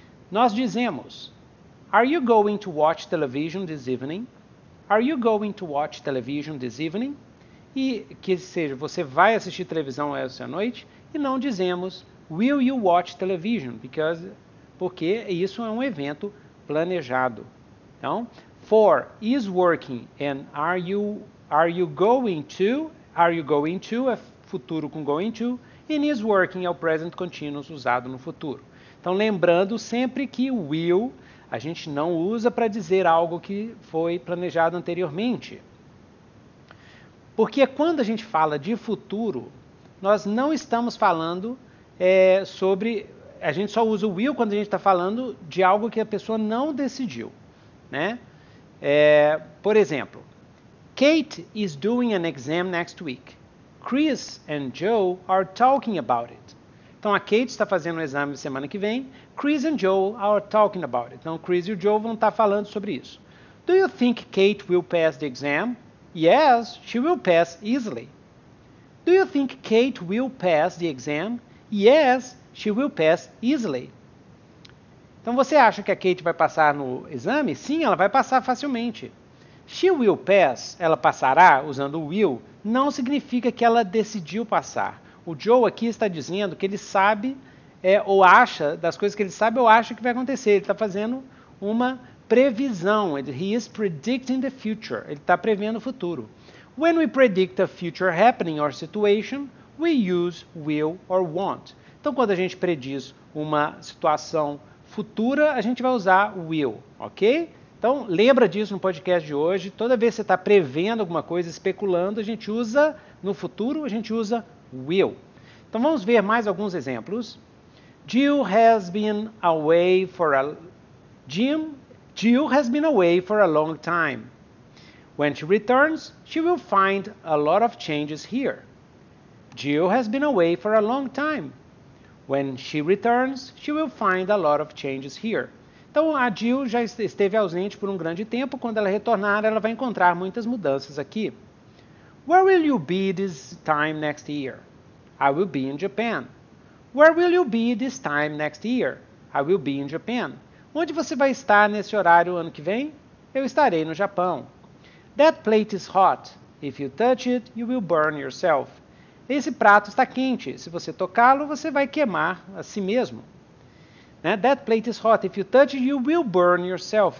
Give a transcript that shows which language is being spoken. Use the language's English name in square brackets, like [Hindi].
[Portuguese] Nós dizemos [English] Are you going to watch television this evening? Are you going to watch television this evening? [Portuguese] E que seja, você vai assistir televisão essa noite? E não dizemos [English] Will you watch television? [Portuguese] Porque isso é um evento planejado. [English] Então, for is working and are you going to [Portuguese] é futuro com [English] going to and is working é o present continuous [Portuguese] usado no futuro. Então, lembrando sempre que will a gente não usa para dizer algo que foi planejado anteriormente. Porque quando a gente fala de futuro, nós não estamos falando sobre... A gente só usa o will quando a gente está falando de algo que a pessoa não decidiu. Né? Por exemplo, [English] Kate is doing an exam next week. Chris and Joe are talking about it. [Portuguese] Então, a Kate está fazendo um exame semana que vem. [English] Chris and Joe are talking about it. [Portuguese] Então, Chris e o Joe vão estar falando sobre isso. [English] Do you think Kate will pass the exam? Yes, she will pass easily. Do you think Kate will pass the exam? Yes, she will pass easily. [Portuguese] Então, você acha que a Kate vai passar no exame? Sim, ela vai passar facilmente. [English] She will pass, [Portuguese] ela passará, usando will, não significa que ela decidiu passar. O Joe aqui está dizendo que ele sabe ou acha, das coisas que ele sabe, ou acha que vai acontecer. Ele está fazendo uma previsão. [English] He is predicting the future. [Portuguese] Ele está prevendo o futuro. [English] When we predict a future happening or situation, we use will or won't. [Portuguese] Então, quando a gente prediz uma situação futura, a gente vai usar will, ok? Então, lembra disso no podcast de hoje. Toda vez que você está prevendo alguma coisa, especulando, a gente usa no futuro, a gente usa will. Então, vamos ver mais alguns exemplos. [English] Jill has been away for a long time. When she returns, she will find a lot of changes here. Jill has been away for a long time. When she returns, she will find a lot of changes here. [Portuguese] Então, a Jill já esteve ausente por um grande tempo. Quando ela retornar, ela vai encontrar muitas mudanças aqui. [English] Where will you be this time next year? I will be in Japan. Where will you be this time next year? I will be in Japan. [Portuguese] Onde você vai estar nesse horário ano que vem? Eu estarei no Japão. [English] That plate is hot. If you touch it, you will burn yourself. [Portuguese] Esse prato está quente. Se você tocá-lo, você vai queimar a si mesmo. Né? [English] That plate is hot. If you touch it, you will burn yourself.